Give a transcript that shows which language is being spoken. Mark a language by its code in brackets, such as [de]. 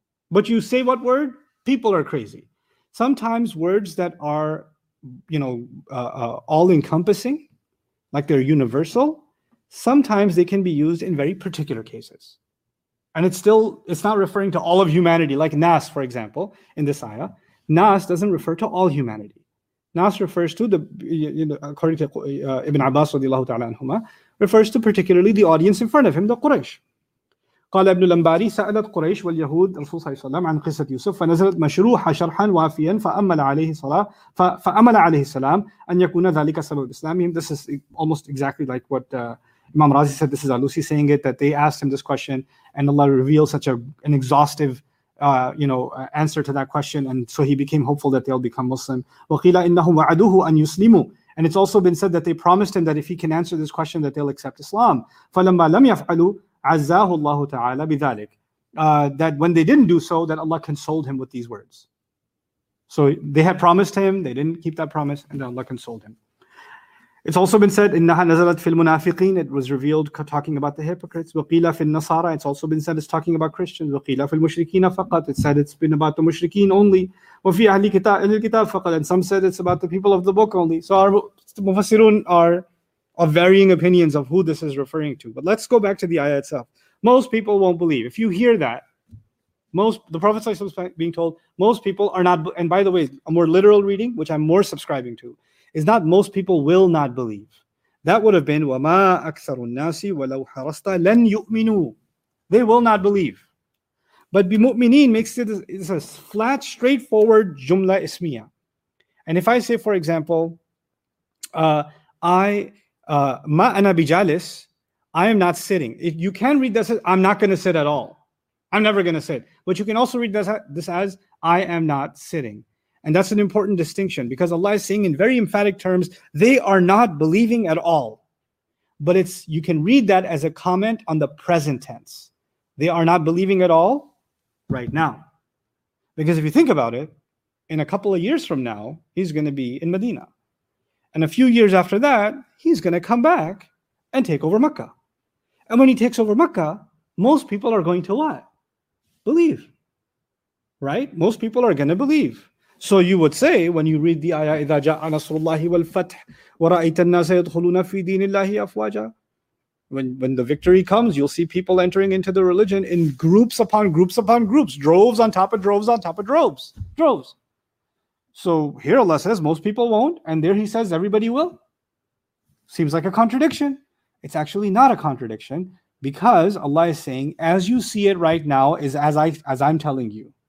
[en] But you say what word? People are crazy. Sometimes words that are, you know, all-encompassing, like they're universal, sometimes they can be used in very particular cases. And it's not referring to all of humanity, like Nas, for example, in this ayah. Nas doesn't refer to all humanity. Nas refers to the, you know, according to Ibn Abbas radiallahu ta'ala anhuma, refers to particularly the audience in front of him, the Quraysh. [ar] قال ابن لمباري سألت قريش واليهود الرسول صلى الله عليه وسلم عن قصة يوسف فنزلت مشروحة شرحا وافيا فأمل عليه السلام أن يكون ذلك سبب إسلامهم. [en] This is almost exactly like what Imam Razi said. This is Alusi saying it, that they asked him this question and Allah revealed such an exhaustive answer to that question, and so he became hopeful that they'll become Muslim. [ar] وقيل إنهم وعدوه أن يسلموا. [en] And it's also been said that they promised him that if he can answer this question that they'll accept Islam. [ar] فلما لم يفعلوا عزاه الله تعالى بذلك. [en] That when they didn't do so, that Allah consoled him with these words. So they had promised him, they didn't keep that promise, and then Allah consoled him. It's also been said, [ar] إنها نزلت في المنافقين. [en] It was revealed talking about the hypocrites. [ar] وقيل في النصارى. [en] It's also been said it's talking about Christians. [ar] وقيل في المشركين فقط. [en] It said it's been about the مشركين only. [ar] وفي أهل الكتاب فقط. [en] And some said it's about the people of the book only. So our مفسرون are of varying opinions of who this is referring to. But let's go back to the ayah itself. Most people won't believe. If you hear that, the Prophet ﷺ is being told, most people are not, and by the way, a more literal reading, which I'm more subscribing to, is not most people will not believe. That would have been, [ar] وَمَا أَكْثَرُ النَّاسِ وَلَوْ حَرَصْتَ لَنْ يُؤْمِنُوا. [en] They will not believe. But بِمُؤْمِنِينَ makes it, it's a flat, straightforward jumla ismiya. And if I say, for example, [ar] ma ana bijalis, [en] I am not sitting. You can read this as, I'm not going to sit at all. I'm never going to sit. But you can also read this as, I am not sitting. And that's an important distinction, because Allah is saying in very emphatic terms, they are not believing at all. But you can read that as a comment on the present tense. They are not believing at all right now. Because if you think about it, in a couple of years from now, he's going to be in Medina. And a few years after that, he's going to come back and take over Mecca. And when he takes over Mecca, most people are going to what? Believe. Right? Most people are going to believe. So you would say, when you read the ayah, [ar] إِذَا جَاءَ نَصْرُ اللَّهِ وَالْفَتْحِ وَرَأَيْتَ النَّاسَ يَدْخُلُونَ فِي دِينِ اللَّهِ أَفْوَاجًا. [en] When the victory comes, you'll see people entering into the religion in groups upon groups upon groups, droves on top of droves on top of droves. Droves. So here Allah says most people won't, and there He says everybody will. Seems like a contradiction. It's actually not a contradiction, because Allah is saying, as you see it right now, is as I'm telling you.